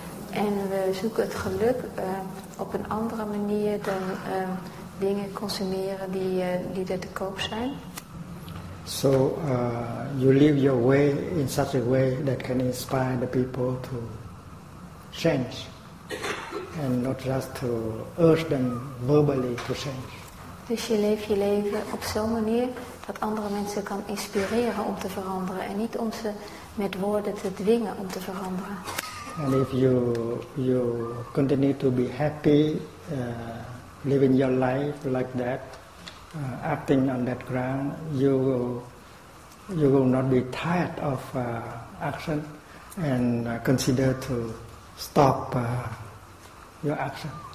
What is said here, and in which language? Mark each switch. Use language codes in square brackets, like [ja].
[nl] En we zoeken het geluk op een andere manier dan dingen consumeren die er te koop zijn. [en] So you live your way in such a way that can inspire the people to change and not just to urge them verbally to change. [nl] Dus je leeft je leven op zo'n manier dat andere mensen kan inspireren om te veranderen en niet om ze met woorden te dwingen om te veranderen. [en] And if you continue to be happy living your life like that, acting on that ground, you will not be tired of action and consider to stop your action.